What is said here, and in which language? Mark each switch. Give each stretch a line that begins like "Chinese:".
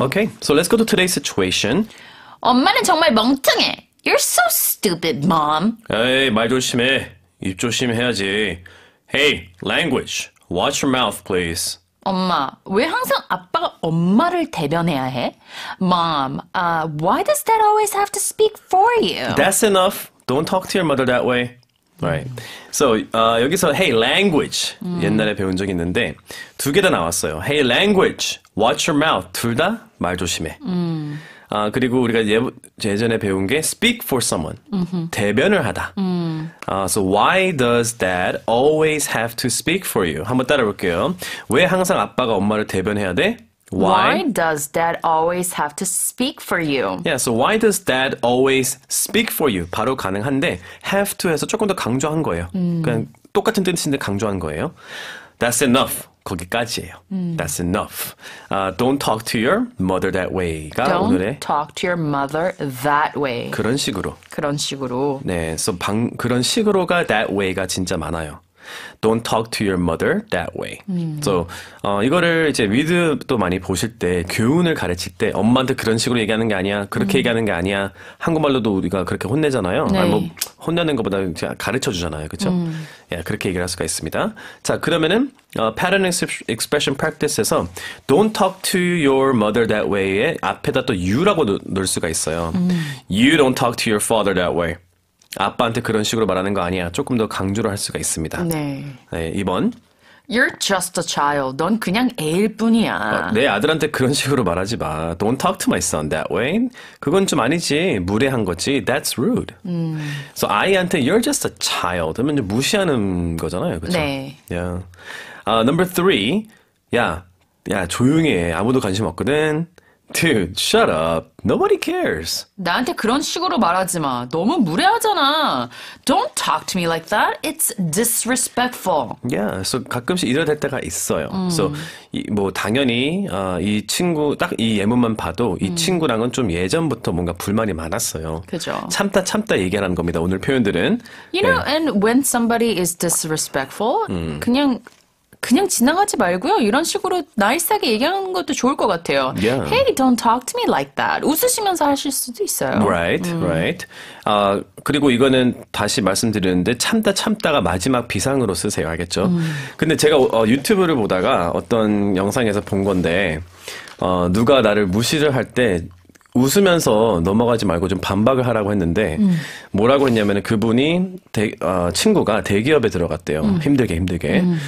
English: Okay, so let's go to today's situation.
Korean: 엄마는 정말 멍청해.
English: You're so stupid, mom.
Korean: 에이, 말 조심해. 입 조심해야지.
English: Hey, language. Watch your mouth, please.
Korean: 엄마, 왜 항상 아빠가 엄마를 대변해야 해?
English: Mom, why does dad always have to speak for you? That's enough. Don't talk to your mother that way. Right. So,
Korean: 여기서
English: hey, language.
Korean: 옛날에 배운 적 있는데 두 개 다 나왔어요.
English: Hey, language. Watch your mouth.
Korean: 둘 다 말 조심해. 그리고 우리가 예전에 배운 게
English: speak for someone.
Korean: 대변을 하다.
English: So why does dad always have to speak for you?
Korean: 한번 따라볼게요. 왜 항상 아빠가 엄마를 대변해야 돼?
English: Why does dad always have to speak for you? Yeah, so why does dad always speak for you?
Korean: 바로 가능한데 have to 해서 조금 더 강조한 거예요. 그냥 똑같은 뜻인데 강조한 거예요.
English: That's enough.
Korean: 거기까지예요.
English: That's enough. Don't talk to your mother that way가 don't
Korean: 오늘의
English: Don't talk to your mother that way.
Korean: 그런 식으로. 네, so 그런 식으로가 that way가 진짜 많아요.
English: Don't talk to your mother that way.
Korean: So 이거를 이제 with도 많이 보실 때 교훈을 가르칠 때 엄마한테 그런 식으로 얘기하는 게 아니야. 그렇게 얘기하는 게 아니야. 한국말로도 우리가 그렇게 혼내잖아요. 네. 아니, 뭐 혼내는 것보다 그냥 가르쳐 주잖아요. 그렇죠? 예, 그렇게 얘기를 할 수가 있습니다. 자, 그러면은 pattern expression practice에서
English: don't talk to your mother that way
Korean: 에 앞에다 또 you라고 넣을 수가 있어요.
English: You don't talk to your father that way.
Korean: 아빠한테 그런 식으로 말하는 거 아니야. 조금 더 강조를 할 수가 있습니다. 네. 2번.
English: You're just a child.
Korean: 넌 그냥 애일 뿐이야. 내 아들한테 그런 식으로 말하지 마.
English: Don't talk to my son that way.
Korean: 그건 좀 아니지. 무례한 거지.
English: That's rude. So
Korean: 아이한테
English: you're just a child.
Korean: 하면 좀 무시하는 거잖아요. 그렇죠? 네.
English: Yeah. Number 3.
Korean: 야, 조용히 해. 아무도 관심 없거든.
English: Dude, shut up. Nobody cares.
Korean: 나한테 그런 식으로 말하지 마. 너무 무례하잖아.
English: Don't talk to me like that. It's disrespectful.
Korean: Yeah, so 가끔씩 이래야 될 때가 있어요. So 뭐 당연히 이 친구 딱 이 예문만 봐도 이 친구랑은 좀 예전부터 뭔가 불만이 많았어요. 그죠. 참다 얘기하는 겁니다. 오늘 표현들은.
English: You know, and when somebody is disrespectful,
Korean: 그냥 그냥 지나가지 말고요. 이런 식으로 나이스하게 얘기하는 것도 좋을 것 같아요.
English: Yeah. Hey, don't talk to me like that.
Korean: 웃으시면서 하실 수도 있어요.
English: Right, right.
Korean: 그리고 이거는 다시 말씀드리는데 참다 참다가 마지막 비상으로 쓰세요. 알겠죠? 근데 제가 유튜브를 보다가 어떤 영상에서 본 건데 누가 나를 무시를 할 때 웃으면서 넘어가지 말고 좀 반박을 하라고 했는데 뭐라고 했냐면 그분이 친구가 대기업에 들어갔대요. 힘들게 힘들게.